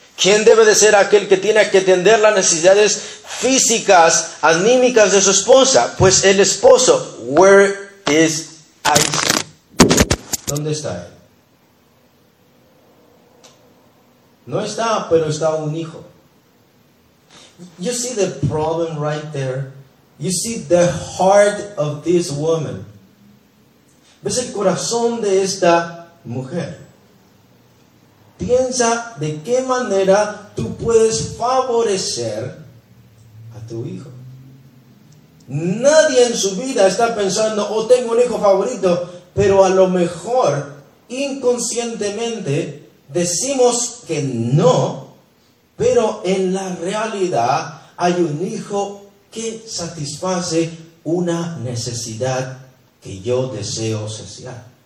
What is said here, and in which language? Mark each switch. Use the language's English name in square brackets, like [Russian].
[Spanish] ¿Quién debe de ser aquel que tiene que atender las necesidades físicas, anímicas de su esposa? Pues el esposo. [English] Where is Isaac? [Spanish] ¿Dónde está él? No está, pero está un hijo. [English] You see the problem right there? You see the heart of this woman. [Spanish] ¿Ves el corazón de esta mujer? Piensa de qué manera tú puedes favorecer a tu hijo. Nadie en su vida está pensando, oh, tengo un hijo favorito, pero a lo mejor inconscientemente decimos que no, pero en la realidad hay un hijo que satisface una necesidad que yo deseo saciar.